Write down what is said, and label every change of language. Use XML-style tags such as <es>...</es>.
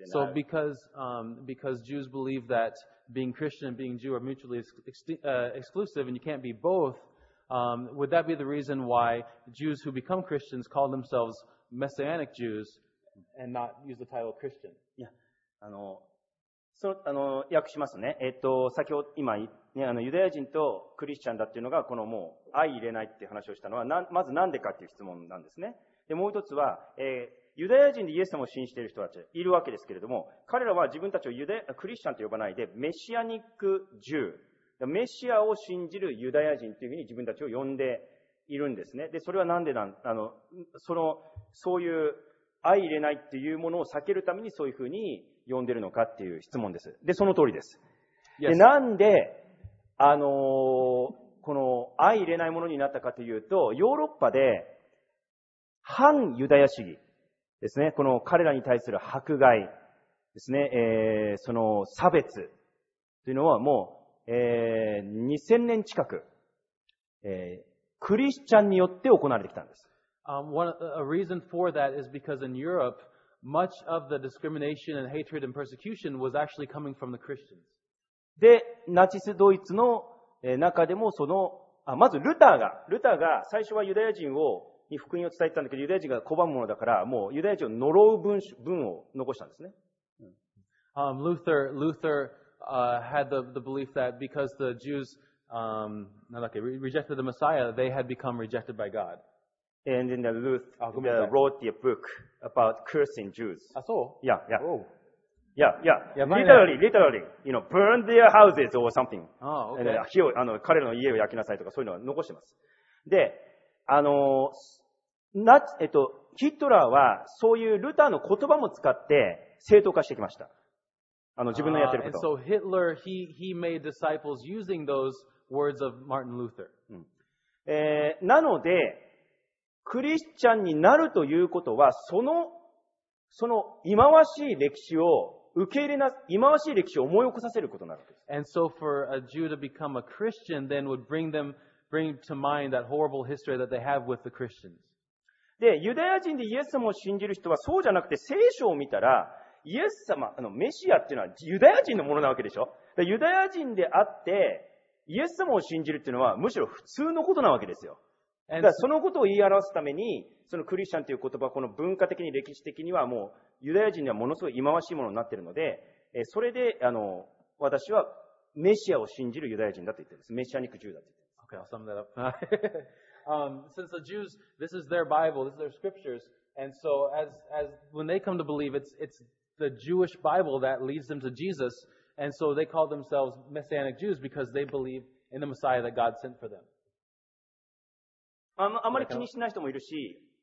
<en>So because Jews believe that being Christian and being Jew are mutually exclusive and you can't be both, would that be the reason why Jews who become Christians call themselves Messianic Jews and not use the title Christian? Yeah.</en> <ja>あの訳しますね。先ほど今ね、あのユダヤ人とクリスチャンだっていうのがこのもう相入れないって話をしたのはまずなんでかっていう質問なんですね。でもう一つは、ユダヤ人でイエス様を信じている人たちいるわけですけれども、彼らは自分たちをクリスチャンと呼ばないでメシアニックジュー、メシアを信じるユダヤ人というふうに自分たちを呼んでいるんですね。でそれはなんでなん、あのそのそういう相入れないっていうものを避けるためにそういうふうに呼んでるのかっていう質問です。で、その通りです。</ja> <en>Yes.</en> <ja>で、なんで、この相入れないものになったかというと、ヨーロッパで反ユダヤ主義ですね、この彼らに対する迫害ですね、その差別というのはもう、2000年近く、クリスチャンによって行われてきたんです。</ja> <en>A reason for that is because in Europe, much of the discrimination and hatred and persecution was actually coming from the Christians.</en> <ja>で、ナチスドイツの中でもその、まずルターが最初はユダヤ人に福音を伝えたんだけど、ユダヤ人が拒むものだから、もうユダヤ人を呪う文を残したんですね。</ja> <en>Luther had the belief that because the Jews, rejected the Messiah, they had become rejected by God. And then Luther wrote a book about cursing Jews. Ah, so? Yeah, yeah. Oh. Yeah, yeah. Literally, you know, burn their houses or something. Oh, okay.</en> <ja>And 火を、あの、彼らの家を焼きなさいとかそういうのは残してます。で、あの、な、ヒトラーはそういうルターの言葉も使って正当化してきました。あの、自分のやってること。</ja> <en>And so Hitler, he made disciples using those words of Martin Luther.</en> <ja>なので、クリスチャンになるということは、その忌まわしい歴史を受け入れな、忌まわしい歴史を思い起こさせることになるんです。</ja> <en>And so for a Jew to become a Christian, then would bring to mind that horrible history that they have with the Christians.</en> <ja>で、ユダヤ人でイエス様を信じる人は、そうじゃなくて聖書を見たら、イエス様、あの、メシアっていうのはユダヤ人のものなわけでしょ？で、ユダヤ人であって、イエス様を信じるっていうのは、むしろ普通のことなわけですよ。だからそのことを言い表すために、そのクリスチャンという言葉、この文化的に歴史的にはもうユダヤ人にはものすごい忌まわしいものになっているので、それで私はメシアを信じるユダヤ人だと言っているんです。メシアニック・ジューだと言っています。</ja> <en>Okay, I'll sum that up. since the Jews, this is their Bible, this is their scriptures, and so as when they come to believe, it's the Jewish Bible that leads them to Jesus, and so they call themselves Messianic Jews because they believe in the Messiah that God sent for them.</en> <ja>あまり気にしない人もいるし、</ja>